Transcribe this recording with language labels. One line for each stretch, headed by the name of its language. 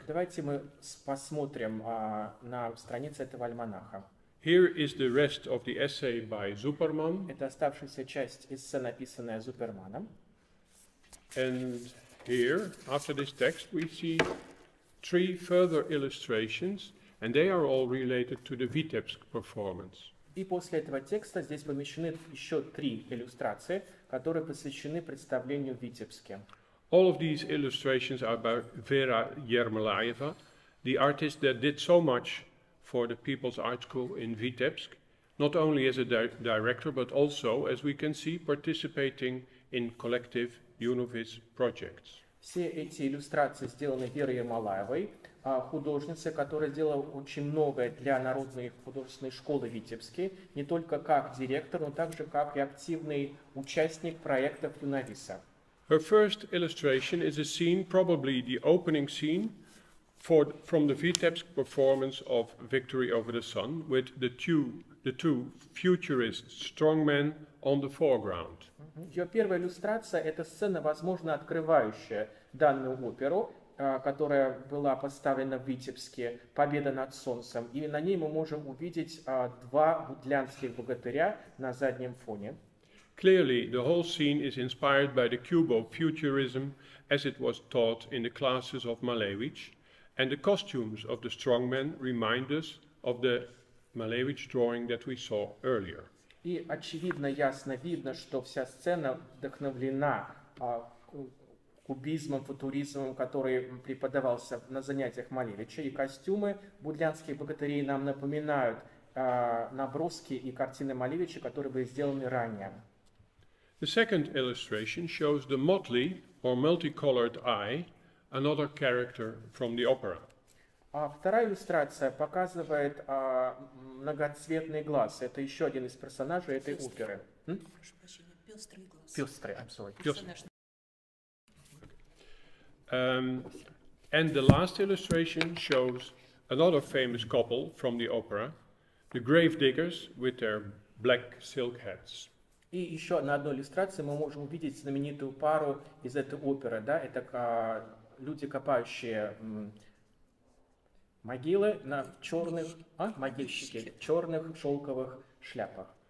Russian: Давайте мы посмотрим на страницы этого альманаха.
English: Here is the rest of the essay by Zuperman.
Russian: Это оставшаяся часть эссе, написанная Зуперманом.
English: And here, after this text, we see three further illustrations, and they are all related to the Vitebsk performance.
Russian: И после этого текста здесь помещены еще три иллюстрации, которые посвящены представлению в Витебске.
English: All of these illustrations are by Vera Yermolaeva, the artist that did so much for the People's Art School in Vitebsk, not only as a director, but also, as we can see, participating in collective UNOVIS projects.
Russian: Все эти иллюстрации сделаны Верой Ермолаевой, художницей, которая сделала очень многое для Народной художественной школы Витебске, не только как директор, но также как и активный участник проектов UNOVIS-а.
English: Her first illustration is a scene, probably the opening scene, from the Vitebsk performance of Victory Over the Sun, with the two futurist strongmen on the foreground.
Russian: Ее первая иллюстрация — это сцена, возможно, открывающая данную оперу, которая была поставлена в Витебске, «Победа над солнцем». И на ней мы можем увидеть два гудлянских богатыря на заднем фоне.
English: Clearly, the whole scene is inspired by the Cubo-futurism as it was taught in the classes of Malevich, and the costumes of the strongmen remind us of the Malevich drawing that we saw earlier.
Russian: И очевидно, ясно видно, что вся сцена вдохновлена кубизмом, футуризмом, который преподавался на занятиях Малевича, и костюмы будлянских богатырей нам напоминают наброски и картины Малевича, которые были сделаны ранее.
English: The second illustration shows the motley, or multicolored eye, another character from the opera.
Russian: Вторая иллюстрация показывает многоцветный глаз. Это еще один из персонажей этой оперы. Пестрый глаз.
English: Пестрый, absolutely. And the last illustration shows another famous couple from the opera, the grave diggers with their black silk hats.
Russian: И еще на одной иллюстрации мы можем увидеть знаменитую пару из этой оперы, да? Это люди, копающие могилы на черных, могильщики, черных шелковых шляпах.